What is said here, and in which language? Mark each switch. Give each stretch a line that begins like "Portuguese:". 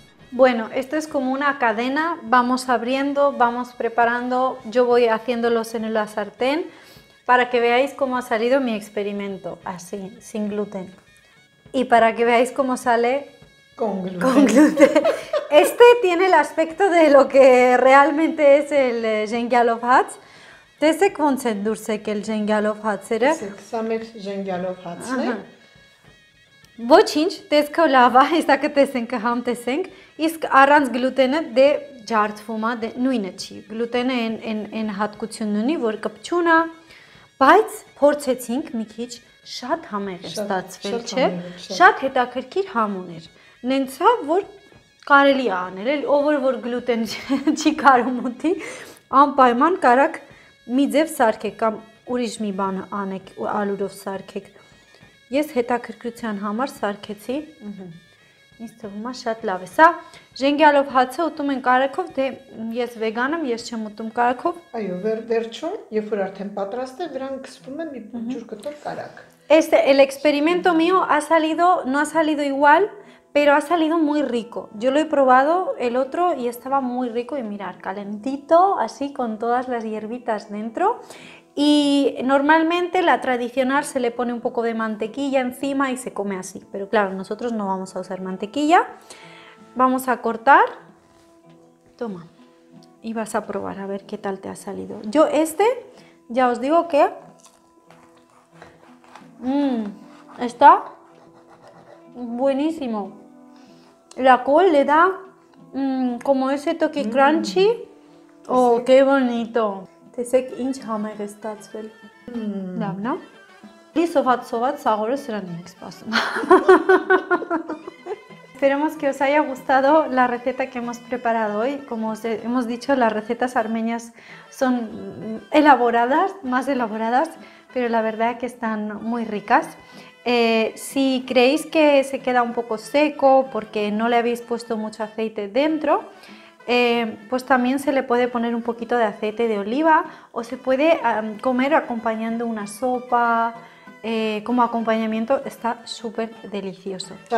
Spanish: Bueno, esto es como una cadena, vamos abriendo, vamos preparando, yo voy haciéndolos en la sartén para que veáis cómo ha salido mi experimento, así, sin gluten. Y para que veáis cómo sale con gluten. Este tiene el aspecto de lo que realmente es el Gengyalov Hatz. ¿Te se concedurse que el Gengyalov Hatz era? Es el Summer Gengyalov Hatz, ¿no?
Armenian: Ոչինչ, դες կոլավա, իսկ տեսենք համ տեսենք, իսկ առանց գլուտենը դե ջարդվումա, դե նույնը չի, գլուտենը են հատկություն ունի, որ կպչունա, բայց փորձեցինք մի քիչ շատ համեղ է ստացվել, չէ, շատ հետաքրքիր համ ուներ, նենցա, որ կարելի է անել, ով որ գլուտեն չի կարում ուտի, անպայման կարակ մի ձև սարքեք կամ ուրիշ մի բան անեք, ալուրով սարքեք, Ես հետաքրքրության համար սարքեցի, ինձ թվում է շատ լավ է, սա ժենգյալով հացը ուտում են կարաքով, դե ես վեգան եմ, ես չեմ ուտում կարաքով։ Այո, վերջում, երբ որ արդեն պատրաստ է, վրան կսպում է մի ջուր կտոր կարաք։
Spanish: Este, el experimento mío ha salido, no ha salido igual, pero ha salido muy rico. Yo lo he probado el otro y estaba muy rico y mirar, calentito, así con todas las hierbitas dentro. Y normalmente la tradicional se le pone un poco de mantequilla encima y se come así. Pero claro, nosotros no vamos a usar mantequilla. Vamos a cortar. Toma. Y vas a probar a ver qué tal te ha salido. Yo este, ya os digo que... está buenísimo. La col le da como ese toque crunchy. Oh, qué bonito.
Armenian: Տեսեք ինչ համեր է ստացվել, լավնա, լի սոված սոված սաղորը սրան ենք սպասում։
Spanish: Esperemos que os haya gustado la receta que hemos preparado hoy. Como os hemos dicho, las recetas armenias son elaboradas, más elaboradas, pero la verdad que están muy ricas. Si creéis que se queda un poco seco porque no le habéis puesto mucho aceite dentro, pues también se le puede poner un poquito de aceite de oliva o se puede comer acompañando una sopa, como acompañamiento, está súper delicioso.